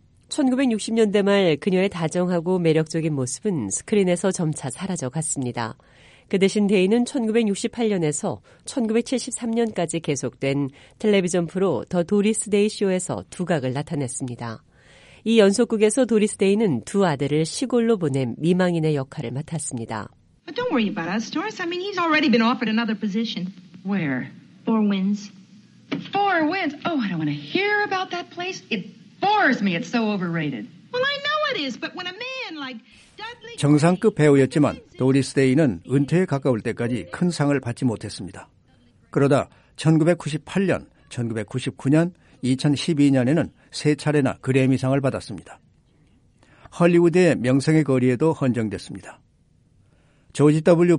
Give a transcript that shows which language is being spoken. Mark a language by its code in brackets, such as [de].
[ko] 1960년대 말 그녀의 다정하고 매력적인 모습은 스크린에서 점차 사라져갔습니다. 그 대신 데이는 1968년에서 1973년까지 계속된 텔레비전 프로 더 도리스 데이 쇼에서 두각을 나타냈습니다. 이 연속극에서 도리스 데이는 두 아들을 시골로 보낸 미망인의 역할을 맡았습니다. [en] But don't worry about us, Doris. I mean, he's already been offered another position. Where? Four Winds. Four Winds? Oh, I don't want to hear about that place. It bores me. It's so overrated. Well, I know it is, but when a man like Dudley... [ko] 정상급 배우였지만 도리스 데이는 은퇴에 가까울 때까지 큰 상을 받지 못했습니다. 그러다 1998년, 1999년, 2012년에는 세 차례나 그래미상을 받았습니다. 할리우드의 명성의 거리에도 헌정됐습니다. 조지 W.